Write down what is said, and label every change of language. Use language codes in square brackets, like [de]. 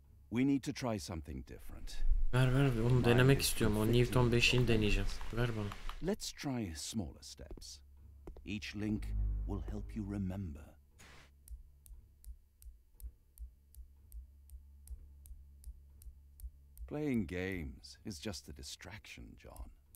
[en] We need to try something different. [tr] Ver ver, onu denemek istiyorum. O Newton 5'ini deneyeceğim. Ver bana. [en] Let's try smaller steps. Each link will help you remember. Playing games is just a distraction, John.